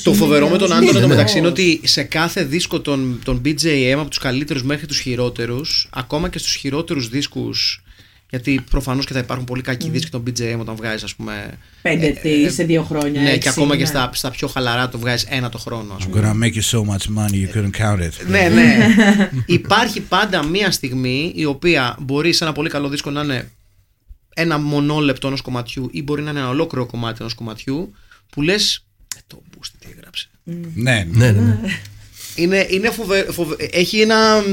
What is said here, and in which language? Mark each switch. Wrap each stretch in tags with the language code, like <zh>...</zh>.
<el>Το φοβερό με τον Άντων, εντωμεταξύ, είναι ότι σε κάθε δίσκο των BJM, από τους καλύτερους μέχρι τους χειρότερους, ακόμα και στους χειρότερους δίσκους. Γιατί προφανώς και θα υπάρχουν πολύ κακοί δίσκοι των BJM όταν βγάζεις, ας πούμε. Πέντε σε δύο χρόνια. Ναι, έξι, και ακόμα και στα πιο χαλαρά το βγάζεις ένα το χρόνο, ας πούμε.</el> <en>I'm gonna make you so much money you couldn't count it.</en> <el>Ναι, ναι. Υπάρχει πάντα μία στιγμή η οποία μπορεί σε ένα πολύ καλό δίσκο να είναι ένα μονόλεπτο ενός κομματιού ή μπορεί να είναι ένα ολόκληρο κομμάτι ενός κομματιού που λες. Το boost, τι έγραψε. Ναι, ναι, ναι. Είναι έχει ένα.</el>